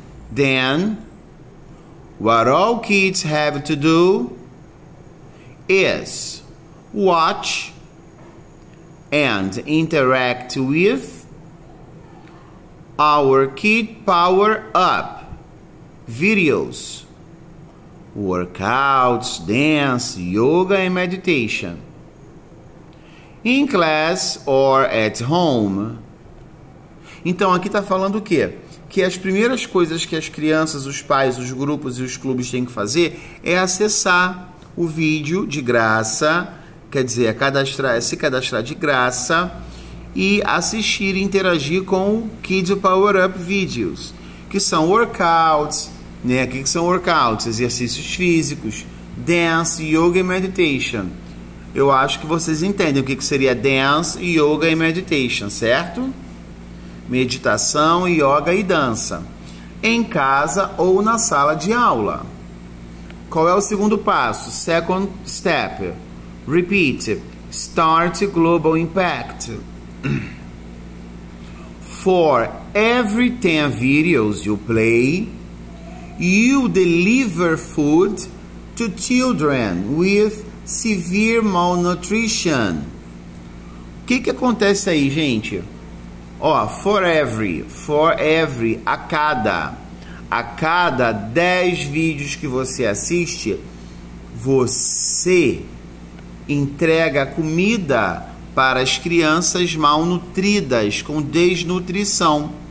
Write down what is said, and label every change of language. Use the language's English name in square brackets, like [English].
[English] Then, what all kids have to do is watch and interact with our Kid Power Up videos, workouts, dance, yoga and meditation in class or at home. [Portuguese] Então aqui está falando o quê? Que as primeiras coisas que as crianças, os pais, os grupos e os clubes têm que fazer é acessar o vídeo de graça, quer dizer, se cadastrar de graça e assistir e interagir com o Kids Power Up Videos, que são workouts, né? O que são workouts? Exercícios físicos, dance, yoga e meditation. Eu acho que vocês entendem o que seria dance, yoga e meditation, certo? Meditação, yoga e dança. Em casa ou na sala de aula. Qual é o segundo passo? [English] Second step. Repeat. Start Global Impact. For every 10 videos you play, you deliver food to children with severe malnutrition. [Portuguese] O que que acontece aí, gente? Ó, [English] for every, [Portuguese] a cada 10 vídeos que você assiste, você entrega comida para as crianças mal nutridas, com desnutrição.